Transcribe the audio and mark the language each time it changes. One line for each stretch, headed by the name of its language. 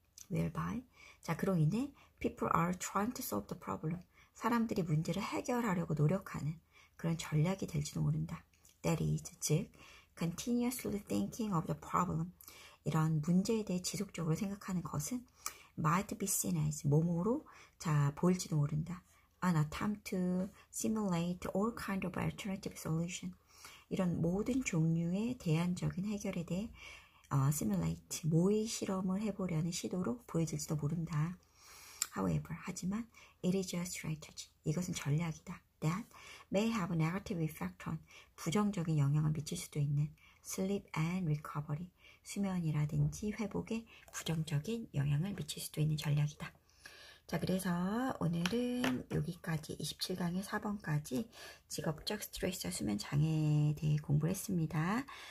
English: Whereby,
Korean: 자, 그로 인해
English: people are trying to solve the problem,
Korean: 사람들이 문제를 해결하려고 노력하는 그런 전략이 될지도 모른다.
English: That is,
Korean: 즉,
English: continuously thinking of the problem,
Korean: 이런 문제에 대해 지속적으로 생각하는 것은
English: might be seen as,
Korean: 몸으로 자, 보일지도 모른다.
English: An attempt to simulate all kinds of alternative solution.
Korean: 이런 모든 종류의 대안적인 해결에 대해 simulate, 모의 실험을 해보려는 시도로 보여질지도 모른다.
English: However,
Korean: 하지만
English: it is a strategy.
Korean: 이것은 전략이다.
English: That may have a negative effect on,
Korean: 부정적인 영향을 미칠 수도 있는
English: sleep and recovery,
Korean: 수면이라든지 회복에 부정적인 영향을 미칠 수도 있는 전략이다. 자, 그래서 오늘은 여기까지 27강의 4번까지 직업적 스트레스와 수면 장애에 대해 공부했습니다.